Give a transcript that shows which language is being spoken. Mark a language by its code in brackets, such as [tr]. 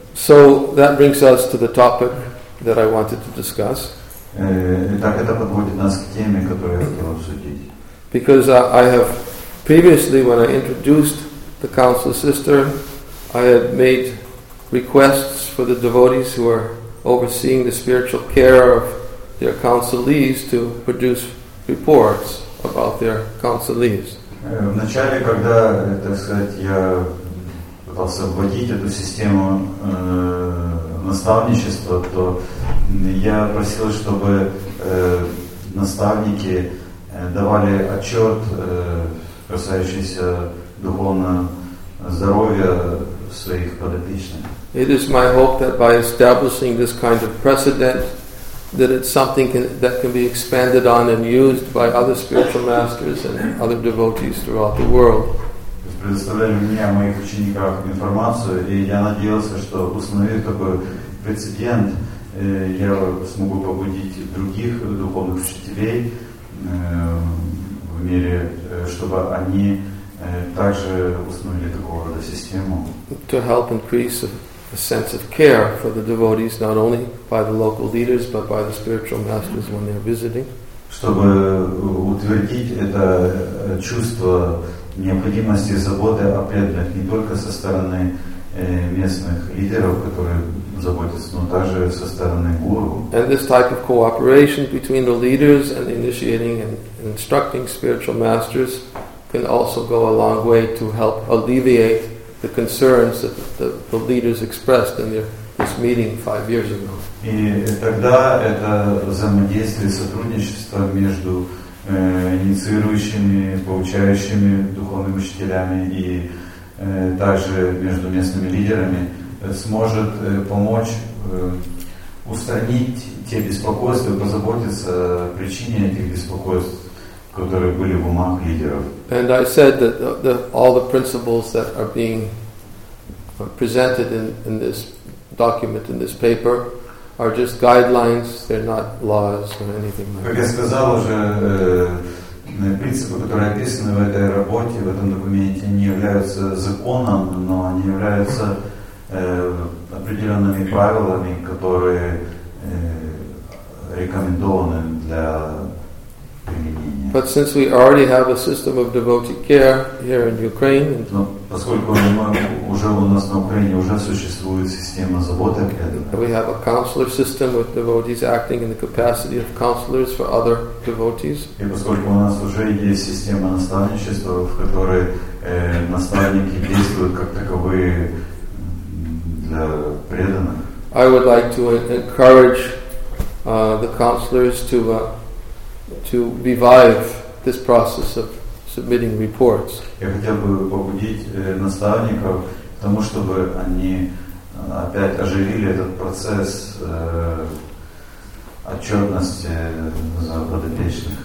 [en] So that brings us to the topic that I wanted to discuss. [ru] Так это подводит нас к теме, которую я хотел обсудить. [en] Because I have previously, when I introduced the council sister, I had made requests for the devotees who are overseeing the spiritual care of their councilees to produce reports about their councilees. [ru] Вначале, когда, так сказать, я пытался вводить эту систему наставничества, то я просил, чтобы наставники давали отчет, касающийся духовного здоровья своих подопечных. [en] It is my hope that by establishing this kind of precedent, that it's something that can be expanded on and used by other spiritual masters and other devotees throughout the world. [ru] Предоставляли мне о моих учениках информацию, и я надеялся, что установив такой прецедент, я смогу побудить других духовных учителей в мире, чтобы они также установили такого рода систему. [en] To help increase a sense of care for the devotees, not only by the local leaders, but by the spiritual masters when they're visiting. [ru] Чтобы утвердить это чувство необходимости заботы о преданных не только со стороны местных лидеров, которые заботятся, но также со стороны гуру. [en] And this type of cooperation between the leaders and the initiating and instructing spiritual masters can also go a long way to help alleviate the concerns that the leaders expressed in this meeting 5 years ago. [ru] И тогда это взаимодействие, сотрудничество между инициирующими, получающими духовными учителями и также между местными лидерами сможет помочь устранить те беспокойства, позаботиться о причине этих беспокойств, которые были в умах лидеров. [en] And I said that all the principles that are being presented in this document, in this paper, are just guidelines, they're not laws or anything like that. [ru] Как я сказал уже, принципы, которые описаны в этой работе, в этом документе, не являются законом, но они являются определенными правилами, которые рекомендованы для применения. [en] But since we already have a system of devotee care here in Ukraine, we have a counselor system with devotees acting in the capacity of counselors for other devotees. [ru] И поскольку у нас уже есть система наставничества, в которой наставники действуют как таковые для преданных, [en] I would like to encourage the counselors to revive this process of submitting reports. [ru] Я хотел бы побудить наставников к тому, чтобы они опять оживили этот процесс отчетности за подопечных.